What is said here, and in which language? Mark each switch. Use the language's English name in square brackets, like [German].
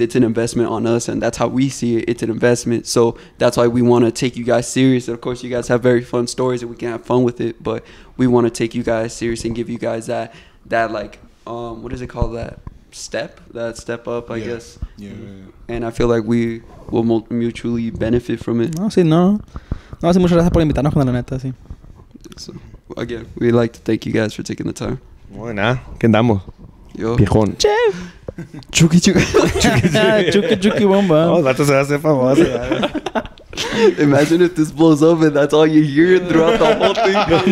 [English] It's an investment on us, and that's how we see it. It's an investment, so that's why we want to take you guys serious. And of course, you guys have very fun stories and we can have fun with it, but we want to take you guys serious and give you guys that like what is it called, that step up, I guess. Yeah. And I feel like we will mutually benefit from it. [Spanish] No, sí, no. No, sí, muchas gracias por invitarnos, con la neta, sí. [English] So, again, we'd like to thank you guys for taking the time. [Spanish] Buena. ¿Qué andamos? Yo. Pijón. Chef. Chuki, chuki. Chuki, chuki, bomba. [English] Oh, that [Spanish] se va a hacer famoso. [English] Imagine if this blows up and that's all you hear throughout the whole thing.